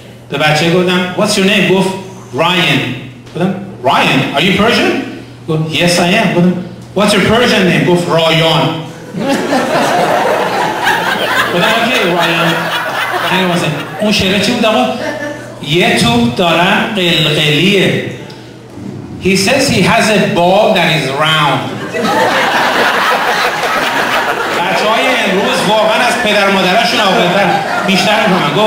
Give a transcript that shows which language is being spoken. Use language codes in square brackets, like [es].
[fa] به بچه گفتم [en] What's your name؟ [fa] گفت Ryan. گفتم Ryan؟ [en] Are you Persian؟ [fa] گفت [en] Yes I am. [fa] گفتم [en] What's your Persian name؟ [fa] گفت رایان. گفتم اوکی رایان. اون شعره چی بود آقا؟ یه توپ دارم قلقلیه. [en] He says he has a ball that is round. [fa] بچه های امروز واقعا از پدر و مادرشون آقلتر بیشتر میکنم.